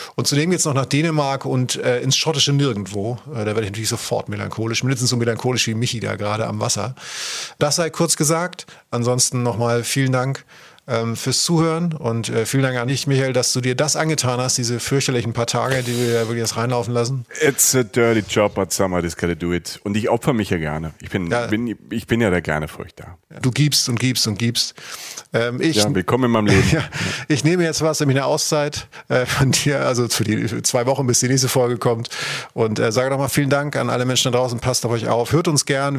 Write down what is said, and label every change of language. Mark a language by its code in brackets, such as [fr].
[de] Und zudem geht es noch nach Dänemark und ins schottische Nirgendwo. Da werde ich natürlich sofort melancholisch, mindestens so melancholisch wie Michi da gerade am Wasser. Das sei kurz gesagt. Ansonsten nochmal vielen Dank fürs Zuhören und vielen Dank an dich, Michael, dass du dir das angetan hast, diese fürchterlichen paar Tage, die wir wirklich jetzt reinlaufen lassen. [en] It's a dirty job, but somebody just gotta do it. [de] Und ich opfer mich ja gerne. Ich bin ja da gerne für euch da. Du gibst und gibst und gibst. Willkommen in meinem Leben. Ja, ich nehme jetzt was, nämlich eine Auszeit von dir, also für die 2 Wochen, bis die nächste Folge kommt. Und sage nochmal vielen Dank an alle Menschen da draußen. Passt auf euch auf. Hört uns gern.